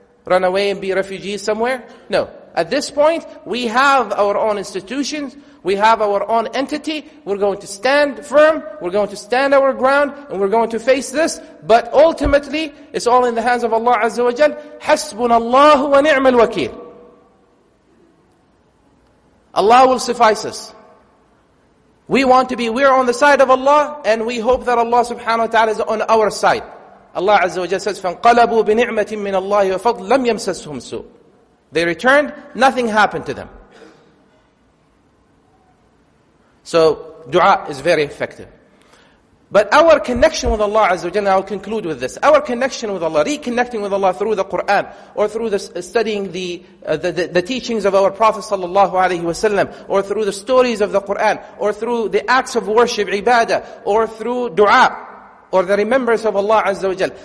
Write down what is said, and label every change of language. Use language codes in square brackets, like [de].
[en] Run away and be refugees somewhere? No. At this point, we have our own institutions, we have our own entity, we're going to stand firm, we're going to stand our ground, and we're going to face this, but ultimately, it's all in the hands of Allah Azza wa Jal. [ar] Hasbunallahu wa ni'mal wakil. [en] Allah will suffice us. We want to be, we're on the side of Allah, and we hope that Allah subhanahu wa ta'ala is on our side. [ar] Allah Azza wa Jalla says, فَانْقَلَبُوا بِنِعْمَةٍ مِّنَ اللَّهِ وَفَضْلٍ لَمْ يَمْسَسْهُمْ سُوءٍ. [en] They returned, nothing happened to them. So, dua is very effective. But our connection with Allah Azza wa Jalla, I'll conclude with this. Our connection with Allah, reconnecting with Allah through the Qur'an, or through studying the teachings of our Prophet sallallahu alayhi wa sallam, or through the stories of the Qur'an, or through the acts of worship, ibadah, or through dua, or the remembrance of Allah Azza wa Jal.